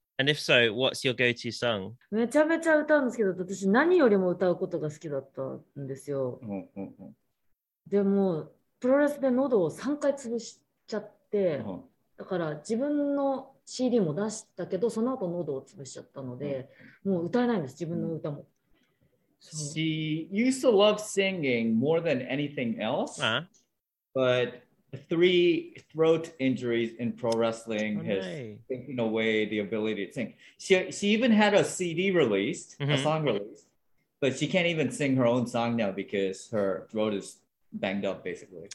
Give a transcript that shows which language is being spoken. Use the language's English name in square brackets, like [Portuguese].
[English] And if so, what's your go-to song? [Japanese] めちゃめちゃ歌うんですけど、私何よりも歌うことが好きだったんですよ。でもプロレスで喉を3回潰しちゃって、だから自分の CD も出したけど、その後喉を潰しちゃったので、もう歌えないんです、自分の歌も。 [English] She used to love singing more than anything else, but three throat injuries in pro wrestling has taken away the ability to sing. She even had a CD released, a song released, but she can't even sing her own song now because her throat is banged up, basically.